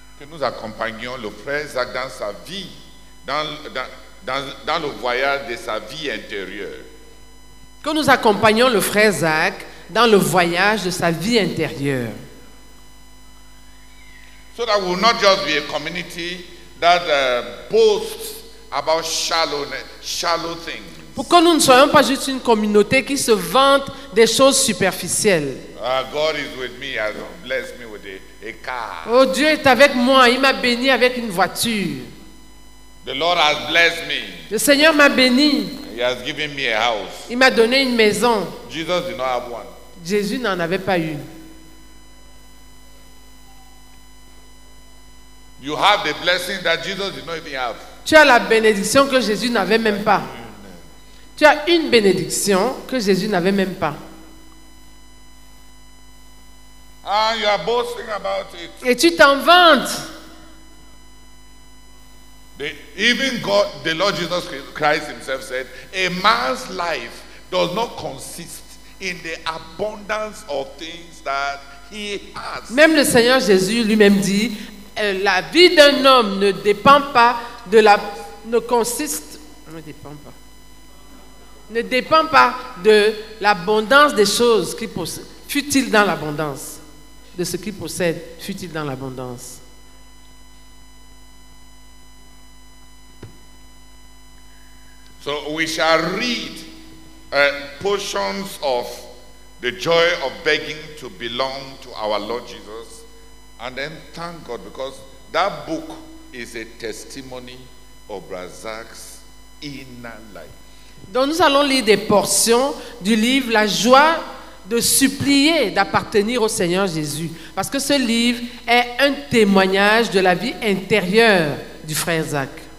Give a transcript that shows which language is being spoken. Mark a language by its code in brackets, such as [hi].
[fr] Nous accompagnons le frère Zach dans sa vie, dans le voyage de sa vie intérieure. Que nous accompagnons le frère Zach dans le voyage de sa vie intérieure. [en] So that will not just be a community that boasts about shallow things. [fr] Pour que nous ne soyons pas juste une communauté qui se vante des choses superficielles. [en] God is with me, has blessed me with a car. [fr] Oh Dieu est avec moi, il m'a béni avec une voiture. [en] The Lord has blessed me. [fr] Le Seigneur m'a béni. [en] He has given me a house. [fr] Il m'a donné une maison. [en] Jesus did not have one. [fr] Jésus n'en avait pas une. [en] You have the blessing that Jesus did not even have. [fr] Tu as la bénédiction que Jésus n'avait même pas. Tu as une bénédiction que Jésus n'avait même pas. [en] And you are boasting about it. [fr] Et tu t'en vantes. [en] Even God, the Lord Jesus Christ himself said, a man's life does not consist in the abundance of things that he has. [fr] Même le Seigneur Jésus lui-même dit, la vie d'un homme ne dépend pas de la ne consiste ne dépend pas. Ne dépend pas de l'abondance des choses qu'il possède. Fut-il dans l'abondance? De ce qu'il possède, fut-il dans l'abondance? [en] So we shall read portions of the joy of begging to belong to our Lord Jesus and then thank God, because that book is a testimony of Brazak's inner life. [fr] Donc nous allons lire des portions du livre La joie de supplier d'appartenir au Seigneur Jésus, parce que ce livre est un témoignage de la vie intérieure du frère Zach.